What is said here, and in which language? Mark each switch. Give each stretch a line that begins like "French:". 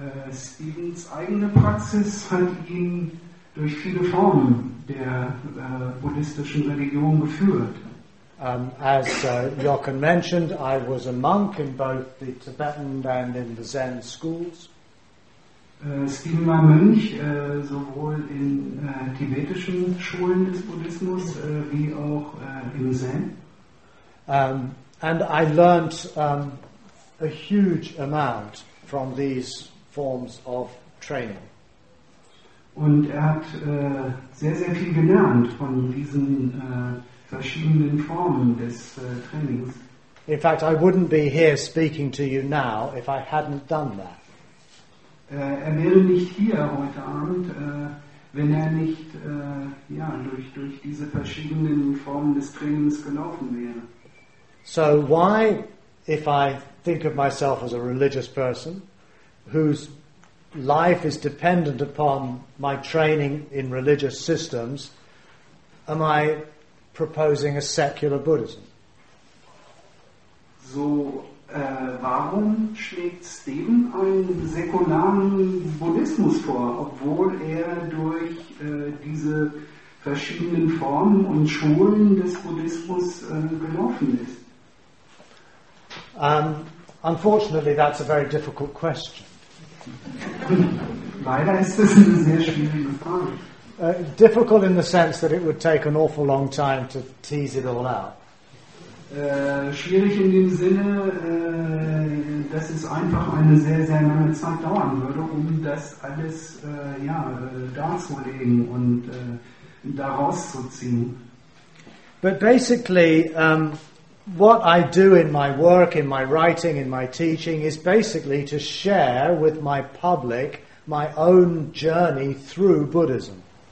German: Stephens eigene Praxis hat ihn durch viele Formen der buddhistischen Religion geführt.
English: As Jochen mentioned, I was a monk in both the Tibetan and in the Zen schools.
German: Stephen war Mönch sowohl in tibetischen Schulen des Buddhismus wie auch im Zen.
English: And I learned a huge amount from these forms of training.
German: Und er hat sehr, sehr viel gelernt von diesen verschiedenen Formen des Trainings.
English: In fact, I wouldn't be here speaking to you now if I hadn't done that.
German: Er wäre nicht hier heute Abend, wenn er nicht durch diese verschiedenen Formen des Trainings gelaufen wäre.
English: So why, if I think of myself as a religious person, who's life is dependent upon my training in religious systems, am I proposing a secular Buddhism?
German: So, warum schlägt Steven einen säkularen Buddhismus vor, obwohl er durch diese verschiedenen Formen und Schulen des Buddhismus gelaufen ist?
English: Unfortunately, that's a very difficult question.
German: Leider ist das eine sehr schwierige Frage.
English: Difficult in the sense that it would take an awful long time to tease it all out.
German: Schwierig in dem Sinne, dass es einfach eine sehr, sehr lange Zeit dauern würde, um das alles darzulegen und daraus zu ziehen.
English: But basically, what I do in my work, in my writing, in my teaching is basically to share with my public my own journey through Buddhism.